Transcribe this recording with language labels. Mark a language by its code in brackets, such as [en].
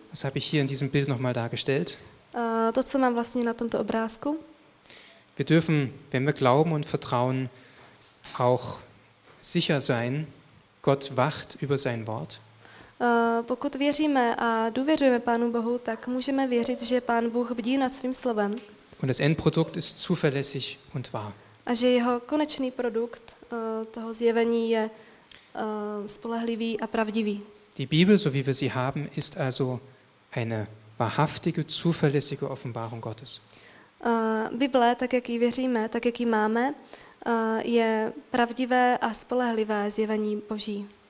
[de] Das habe ich hier in diesem Bild nochmal dargestellt. [cs] To, co mám vlastně na tomto obrázku. [de] Wir dürfen, wenn wir glauben und vertrauen, auch sicher sein, Gott wacht über sein Wort. [cs] Pokud věříme a důvěřujeme Pánu Bohu, tak můžeme věřit, že Pán Bůh bdí nad svým slovem. [de] Und das Endprodukt ist zuverlässig und wahr. [cs] A že jeho konečný produkt toho zjevení je spolehlivý a pravdivý. [de] Die Bibel, so wie wir sie haben, ist also eine wahrhaftige, zuverlässige Offenbarung Gottes. [cs] Bible, tak jak ji věříme, tak jak ji máme, je pravdivé a spolehlivé zjevení Boží.